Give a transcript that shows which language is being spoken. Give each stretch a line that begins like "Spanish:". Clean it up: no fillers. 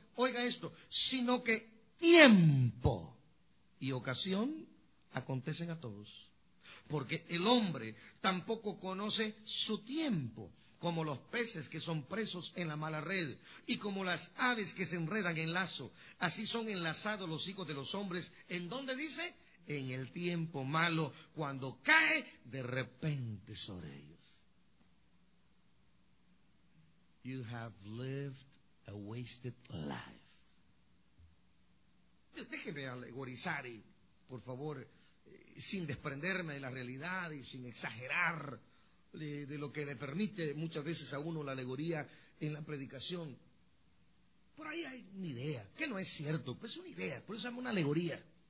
Spanish: Oiga esto, sino que tiempo y ocasión acontecen a todos, porque el hombre tampoco conoce su tiempo, como los peces que son presos en la mala red, y como las aves que se enredan en lazo, así son enlazados los hijos de los hombres. ¿En dónde dice? En el tiempo malo, cuando cae de repente sobre ellos.
English: You have lived a wasted life.
Spanish: Déjeme alegorizar, por favor, sin desprenderme de la realidad y sin exagerar de lo que le permite muchas veces a uno la alegoría en la predicación. Por ahí hay una idea, que no es cierto, pues es una idea, por eso es una alegoría.